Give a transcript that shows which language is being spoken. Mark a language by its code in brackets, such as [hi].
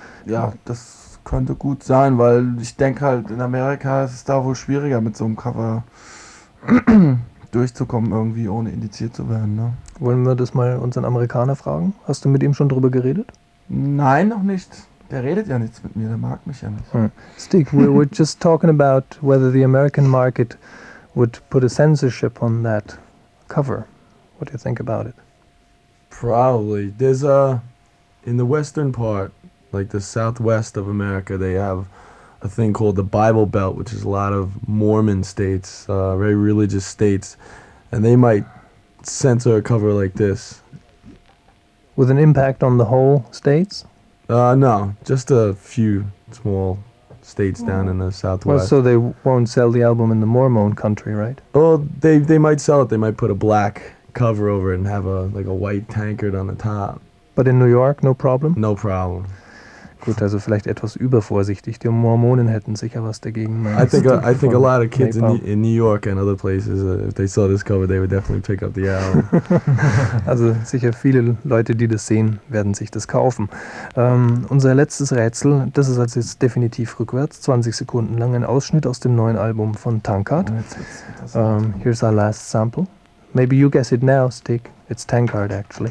[de] Ja, das könnte gut sein, weil ich denke halt, in Amerika ist es da wohl schwieriger, mit so einem Cover durchzukommen, irgendwie ohne indiziert zu werden. Ne? Wollen wir das mal unseren Amerikaner fragen? Hast du mit ihm schon drüber geredet? Nein, noch nicht. Der redet ja nichts mit mir, der mag mich ja nicht. Hm. [en] Stick, we were just talking about whether the American market would put a censorship on that cover. What do you think about it? Probably. There's a... In the western part, like the southwest of America, they have a thing called the Bible Belt, which is a lot of Mormon states, very religious states, and they might censor a cover like this. With an impact on the whole states? No, just a few small states down in the southwest. Well, so they won't sell the album in the Mormon country, right? Well, they might sell it. They might put a black cover over it and have a white tankard on the top. But in New York, no problem? No problem. [de] Gut, also vielleicht etwas übervorsichtig. Die Mormonen hätten sicher was dagegen. [en] I think a lot of kids in New York and other places, if they saw this cover, they would definitely pick up the album. [de] Also sicher viele Leute, die das sehen, werden sich das kaufen. Unser letztes Rätsel, das ist also jetzt definitiv rückwärts, 20 Sekunden lang, ein Ausschnitt aus dem neuen Album von Tankard. [en] Here's our last sample. Maybe you guess it now, Stick. It's Tankard, actually.